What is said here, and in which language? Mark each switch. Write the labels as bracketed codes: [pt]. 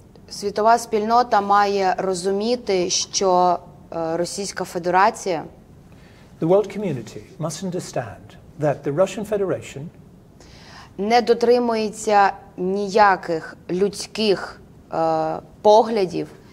[uk] Світова спільнота має розуміти, що Російська Федерація. [en] The world community must understand that the Russian Federation [uk] не дотримується ніяких людських поглядів